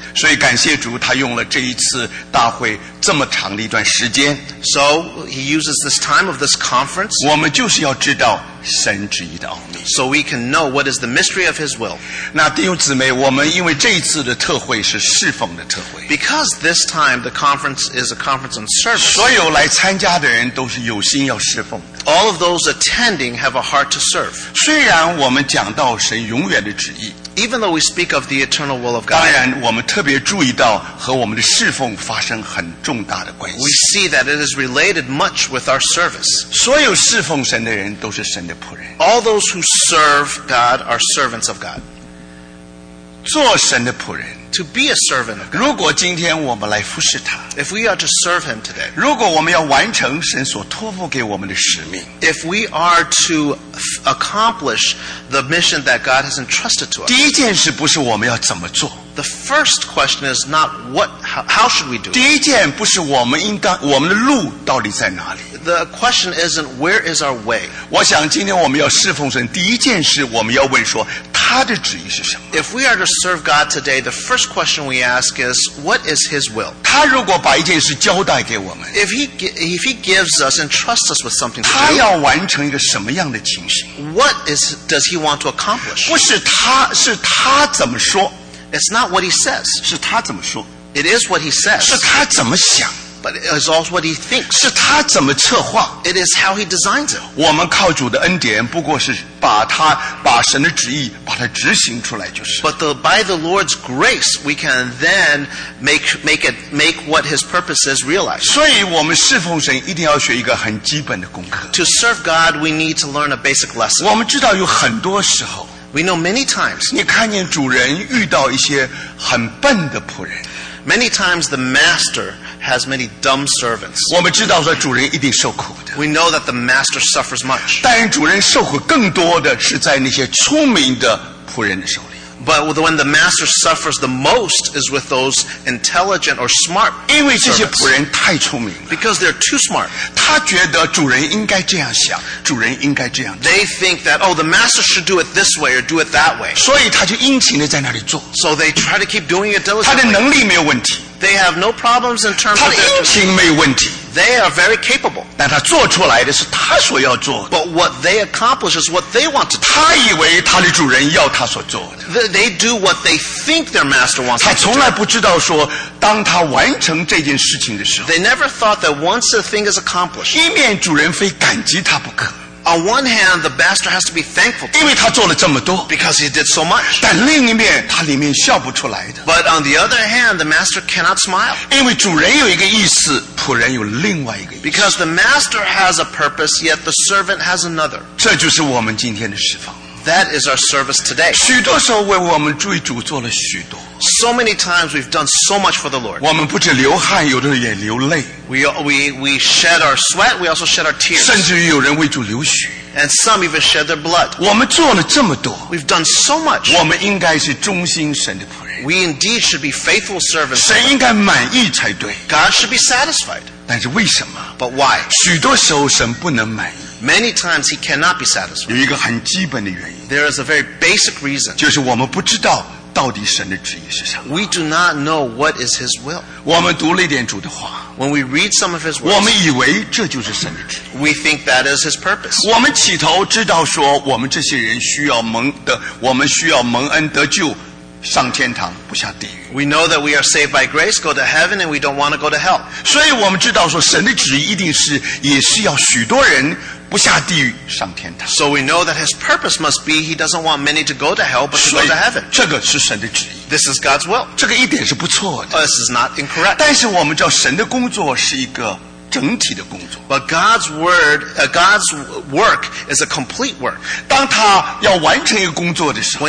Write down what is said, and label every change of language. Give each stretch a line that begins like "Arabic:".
Chinese: 所以感谢主，他用了这一次大会这么长的一段时间。
English: So He uses this time of this conference.
Chinese: 我们就是要知道神旨意的奥秘。
English: So we can know what is the mystery of His will.
Chinese: 那弟兄姊妹，我们因为这一次的特会是侍奉的特会。
English: Because this time the conference is a conference on service.
Chinese: 所有来参加的人都是有心要侍奉的。
English: All of those attending have a heart to serve.
Chinese: 虽然我们讲到神永远的旨意。
English: Even though we speak of the eternal will of God.
Chinese: 当然我们特别注意到和我们的侍奉发生很重大的关系。
English: We see that it is related much with our service.
Chinese: 所有侍奉神的人都是神的仆人。
English: All those who serve God are servants of God.
Chinese: 做神的仆人。
English: To be a servant of God.
Chinese: 如果今天我们来服侍他。
English: If we are to serve Him today.
Chinese: 如果我们要完成神所托付给我们的使命。
English: If we are to accomplish the mission that God has entrusted to us.
Chinese: 第一件事不是我们要怎么做。
English: The first question is not what, how should we do it.
Chinese: 第一件不是我们应当，我们的路到底在哪里。
English: The question isn't where is our way.
Chinese: 我想今天我们要侍奉神，第一件事我们要问说，他的旨意是什么。
English: If we are to serve God today, the first question we ask is, what is His will?
Chinese: 他如果把一件事交代给我们。
English: If he gives us and trusts us with something to do.
Chinese: 他要完成一个什么样的情形。
English: What is, does He want to accomplish?
Chinese: 不是他，是他怎么说。
English: It's not what he says.
Chinese: 是他怎么说。
English: It is what he says.
Chinese: 是他怎么想。
English: But it is also what he thinks.
Chinese: 是他怎么策划。
English: It is how he designs it.
Chinese: 我们靠主的恩典不过是把他，把神的旨意，把它执行出来就是。
English: But the, by the Lord's grace, we can then make what his purpose is realized.
Chinese: 所以我们侍奉神一定要学一个很基本的功课。
English: To serve God, we need to learn a basic lesson.
Chinese: 我们知道有很多时候。
English: We know many times.
Chinese: 你看见主人遇到一些很笨的仆人。
English: Many times the master has many dumb servants.
Chinese: 我们知道说主人一定受苦的。
English: We know that the master suffers much.
Chinese: 但主人受苦更多的是在那些聪明的仆人的手里。
English: But when the master suffers the most is with those intelligent or smart servants.
Chinese: 因为这些仆人太聪明了。
English: Because they're too smart.
Chinese: 他觉得主人应该这样想，主人应该这样做。
English: They think that, oh, the master should do it this way or do it that way.
Chinese: 所以他就殷勤地在那里做。
English: So they try to keep doing it diligently.
Chinese: 他的能力没有问题。
English: They have no problems in terms of their ability. They are very capable.
Chinese: 但他做出来的是他所要做的。
English: But what they accomplish is what they want to do.
Chinese: 他以为他的主人要他所做的。
English: They do what they think their master wants to do.
Chinese: 他从来不知道说当他完成这件事情的时候。
English: They never thought that once a thing is accomplished.
Chinese: 一面主人非感激他不可。
English: On one hand, the master has to be thankful.
Chinese: 因为他做了这么多。
English: Because he did so much.
Chinese: 但另一面，他里面笑不出来的。
English: But on the other hand, the master cannot smile.
Chinese: 因为主人有一个意思，仆人有另外一个意思。
English: Because the master has a purpose, yet the servant has another.
Chinese: 这就是我们今天的释放。
English: That is our service today.
Chinese: 许多时候为我们为主做了许多。
English: So many times we've done so much for the Lord.
Chinese: 我们不止流汗，有的也流泪。
English: We shed our sweat, we also shed our tears.
Chinese: 甚至于有人为主流血。
English: And some even shed their blood.
Chinese: 我们做了这么多。
English: We've done so much.
Chinese: 我们应该是忠心神的仆人。
English: We indeed should be faithful servants.
Chinese: 神应该满意才对。
English: God should be satisfied.
Chinese: 但是为什么？
English: But why?
Chinese: 许多时候神不能满意。
English: Many times he cannot be satisfied.
Chinese: 有一个很基本的原因。
English: There is a very basic reason.
Chinese: 就是我们不知道到底神的旨意是什么。
English: We do not know what is his will.
Chinese: 我们读了一点主的话。
English: When we read some of his words.
Chinese: 我们以为这就是神的旨意。
English: We think that is his purpose.
Chinese: 我们起头知道说我们这些人需要蒙的，我们需要蒙恩得救。上天堂不下地狱。
English: We know that we are saved by grace, go to heaven, and we don't want to go to hell.
Chinese: 所以我们知道说神的旨意一定是也是要许多人不下地狱上天堂。
English: So we know that his purpose must be he doesn't want many to go to hell, but to go to heaven.
Chinese: 这个是神的旨意。
English: This is God's will.
Chinese: 这个一点是不错的。
English: This is not incorrect.
Chinese: 但是我们知道神的工作是一个整体的工作。
English: But God's word, God's work is a complete work.
Chinese: 当他要完成一个工作的时候